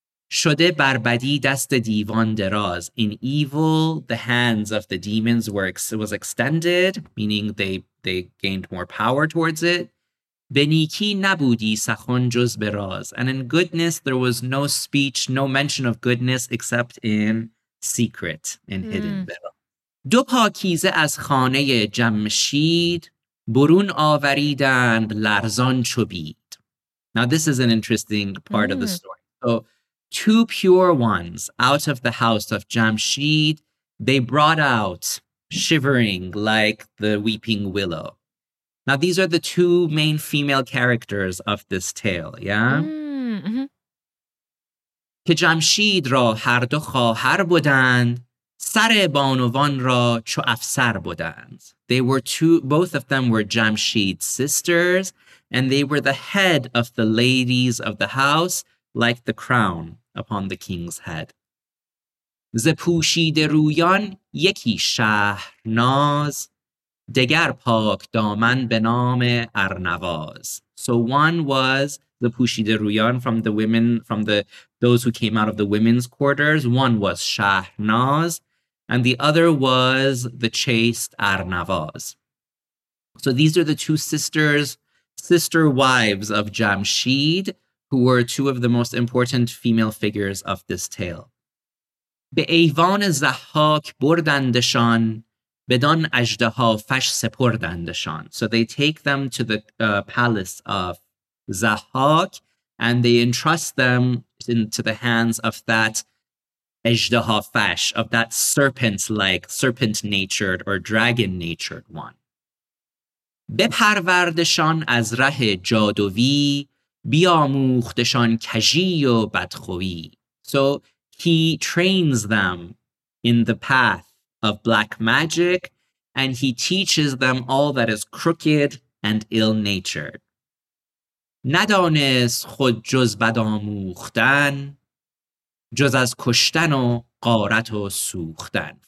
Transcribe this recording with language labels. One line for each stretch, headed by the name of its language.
Persian: Shode barbadi dast divan deraz.
English: In evil, the hands of the demons was extended, meaning they gained more power towards it.
Persian: Beniki nabudi sakhon juz beraz.
English: And in goodness, there was no speech, no mention of goodness, except in secret, in hidden beraz.
Persian: Do pakize az khane jamshid. برون آوریدند لرزان چو بید.
English: Now this is an interesting part of the story. So two pure ones out of the house of Jamshid, they brought out shivering like the weeping willow. Now these are the two main female characters of this tale, yeah?
Persian: که جمشید را هر دو خواهر بودند سر بانوان را چو افسر بودند.
English: They were two, both of them were Jamshid's sisters, and they were the head of the ladies of the house, like the crown upon the king's head.
Persian: ز پوشیده رویان یکی شهرناز دگر پاک دامن به نام ارنواز.
English: So one was the
Persian: پوشیده رویان
English: from the women, from the those who came out of the women's quarters. One was Shahrnaz. And the other was the chaste Arnavaz. So these are the two sisters, sister wives of Jamshid, who were two of the most important female figures of this tale.
Persian: به ایوان زحاک بردندشان بدان اژدها فش سپردندشان.
English: So they take them to the palace of Zahak, and they entrust them into the hands of that
Persian: اژدها فش,
English: of that serpent-like, serpent-natured or dragon-natured one.
Persian: بپروردشان از ره جادوی بیاموختشان کجی و بدخوی.
English: So he trains them in the path of black magic, and he teaches them all that is crooked and ill-natured.
Persian: ندانست خود جز بداموختن جز از کشتن و غارت و سوختن.